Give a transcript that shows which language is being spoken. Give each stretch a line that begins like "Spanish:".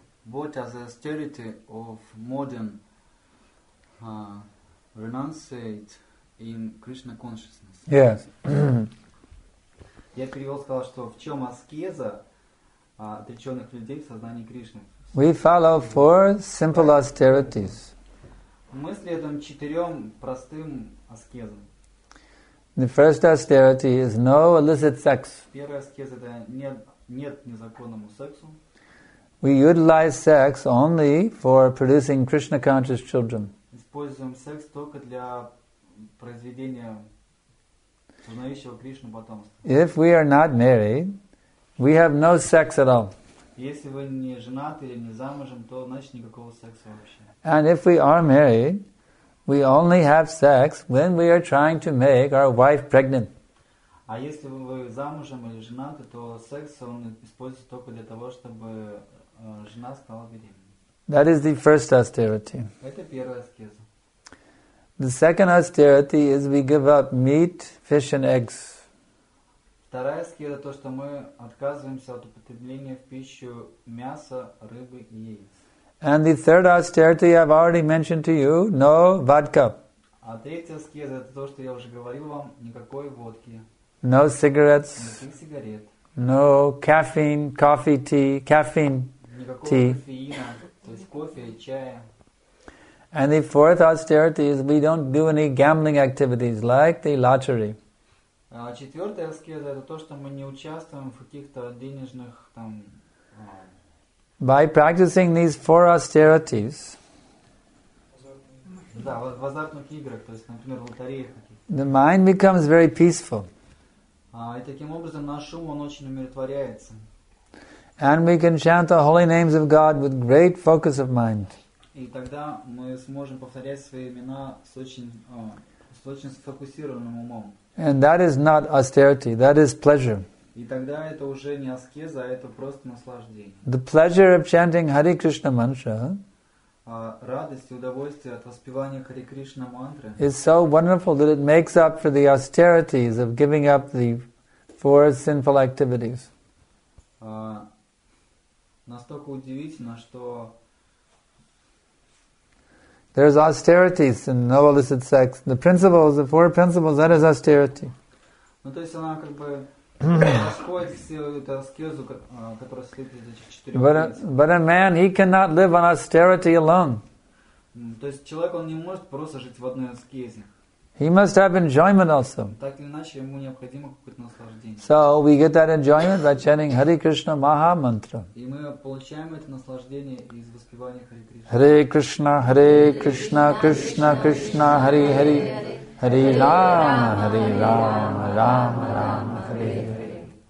English: What are the austerity of modern renunciate in Krishna consciousness? Yes.
Russian: Я перевел, сказал, что в чем аскеза отреченных людей в сознании Кришны?
English: We follow four simple austerities.
Russian: Мы следуем четырем простым аскезам.
English: The first austerity is no illicit sex.
Russian: Первая аскеза это нет незаконному сексу.
English: We utilize sex only for producing Krishna conscious children.
Russian: Используем секс только для произведения познающего Кришну потомства.
English: If we are not married, we have no sex at all.
Russian: Если вы не женаты или не замужем, то значит никакого секса вообще.
English: And if we are married, we only have sex when we are trying to make our wife pregnant.
Russian: А если вы замужем или женаты, то секс он используется только для того, чтобы жена стала беременной.
English: That is the first austerity.
Russian: Это первая аскеза.
English: The second austerity is we give up meat, fish and eggs.
Russian: Вторая аскеза то, что мы отказываемся от употребления в пищу мяса, рыбы и яиц.
English: And the third austerity I've already mentioned to you, no vodka.
Russian: А третья аскеза это то, что я уже говорил вам, никакой водки.
English: No cigarettes.
Russian: Никаких сигарет.
English: No caffeine, coffee, tea, caffeine,
Russian: никакого
English: tea.
Russian: Никакого кофеина, то есть кофе и чая.
English: And the fourth austerity is we don't do any gambling activities like the lottery.
Russian: Четвертая аскеза это то, что мы не участвуем в каких-то денежных там.
English: By practicing these four austerities.
Russian: Да, в азартных играх, то есть, например, в лотереях.
English: The mind becomes very peaceful.
Russian: И таким образом наш ум он очень умиротворяется.
English: And we can chant the holy names of God with great focus of mind.
Russian: И тогда мы сможем повторять свои имена с очень сфокусированным умом.
English: And that is not austerity, that is pleasure.
Russian: И тогда это уже не аскеза, а это просто наслаждение.
English: The pleasure of chanting Hare Krishna mantra.
Russian: Радость и удовольствие от воспевания Hare Krishna mantra.
English: Is so wonderful that it makes up for the austerities of giving up the four sinful activities.
Russian: Настолько удивительно, что
English: there's austerities in no illicit sex. The principles, the four principles, that is austerity.
Russian: Ну то есть она как бы расходит всю эту аскезу, которая следует из этих четырех.
English: But a man, he cannot live on austerity alone.
Russian: То есть человек он не может просто жить в одной аскезе.
English: He must have enjoyment also.
Russian: Так или иначе ему необходимо какое-то наслаждение.
English: So we get that enjoyment by chanting Hare Krishna Maha Mantra.
Russian: И мы получаем это наслаждение из воспевания Hare Krishna.
Sanskrit: Hare Krishna, Hare Krishna, Krishna Krishna, Hare Hare, Hare Rama, Hare Rama, Rama Rama, Hare Hare.